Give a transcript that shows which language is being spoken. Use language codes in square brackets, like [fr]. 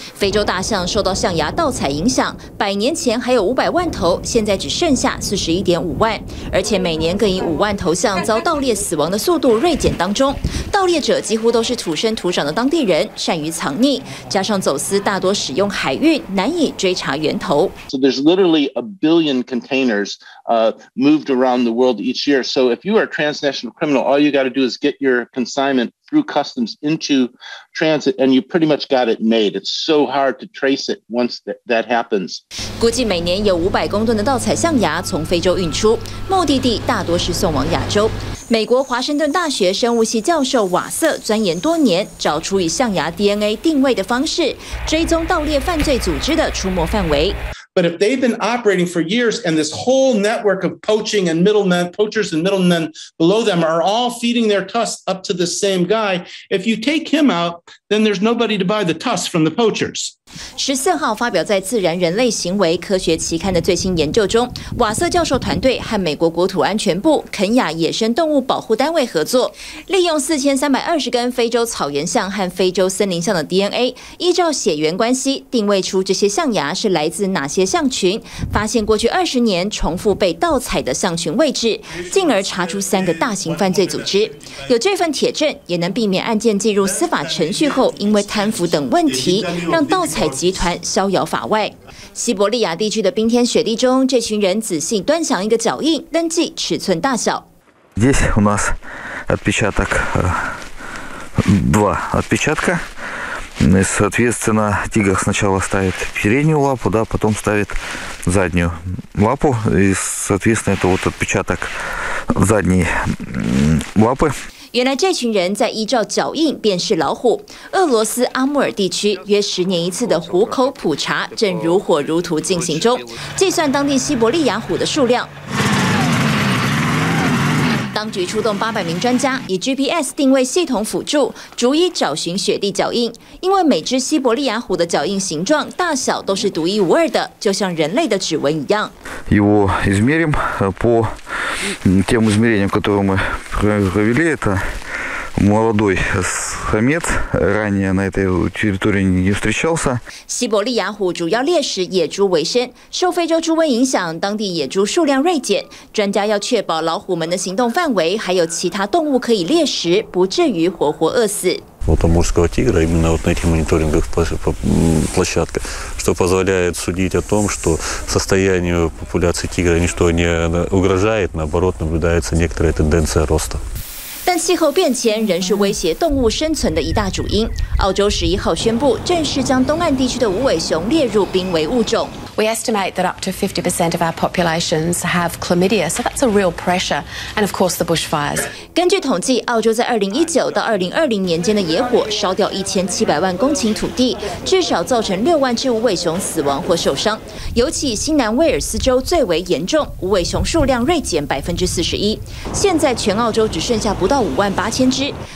[zh] 非洲大象受到象牙盗采影响，百年前还有500万头，现在只剩下41.5万，而且每年更以50000头象遭盗猎死亡的速度锐减当中。盗猎者几乎都是土生土长的当地人，善于藏匿，加上走私大多使用海运，难以追查源头。 [en] So there's literally a billion containers moved around the world each year. So if you are a transnational criminal, all you got to do is get your consignment through customs into transit and you pretty much got it made. It's so hard to trace it once that happens. [zh] 估计每年有500公吨的盗采象牙从非洲运出，目的地大多是送往亚洲。美国华盛顿大学生物系教授瓦瑟钻研多年，找出以象牙 DNA 定位的方式，追踪盗猎犯罪组织的出没范围。 [en] But if they've been operating for years and this whole network of poaching and middlemen, poachers and middlemen below them are all feeding their tusks up to the same guy, if you take him out, then there's nobody to buy the tusks from the poachers. [zh] 14号发表在《自然人类行为科学》期刊的最新研究中，瓦瑟教授团队和美国国土安全部肯亚野生动物保护单位合作，利用4320根非洲草原象和非洲森林象的 DNA， 依照血缘关系定位出这些象牙是来自哪些象群，发现过去20年重复被盗采的象群位置，进而查出3个大型犯罪组织。有这份铁证，也能避免案件进入司法程序后，因为贪腐等问题让盗采集团逍遥法外。西伯利亚地区的冰天雪地中，这群人仔细端详一个脚印，登记尺寸大小。 [ru] Здесь у нас отпечаток два отпечатка. И соответственно тигр сначала ставит переднюю лапу, да, потом ставит заднюю лапу. И соответственно это вот отпечаток задней лапы. [zh] 原来这群人在依照脚印辨识老虎。俄罗斯阿穆尔地区约10年一次的虎口普查正如火如荼进行中，计算当地西伯利亚虎的数量。当局出动800名专家，以 GPS 定位系统辅助，逐一找寻雪地脚印。因为每只西伯利亚虎的脚印形状、大小都是独一无二的，就像人类的指纹一样。 [ru] Его измерим по тем измерениям, которые мы провели. Это молодой самец, ранее на этой территории не встречался. [zh] 西伯利亚虎主要猎食野猪为生，受非洲猪瘟影响，当地野猪数量锐减。专家要确保老虎们的行动范围还有其他动物可以猎食，不至于活活饿死。 [ru] Вот амурского тигра именно вот на этих мониторинговых площадках, что позволяет судить о том, что состоянию популяции тигра ничто не угрожает, наоборот, наблюдается некоторая тенденция роста. [zh] 但气候变迁仍是威胁动物生存的一大主因。澳洲11号宣布正式将东岸地区的无尾熊列入濒危物种。 [en] We estimate that up to 50% of our populations have chlamydia, so that's a real pressure. And of course, the bushfires. [zh] 根据统计，澳洲在2019到2020年间的野火烧掉1700万公顷土地，至少造成60000只无尾熊死亡或受伤。尤其新南威尔斯州最为严重，无尾熊数量锐减41%。现在全澳洲只剩下不到58000只。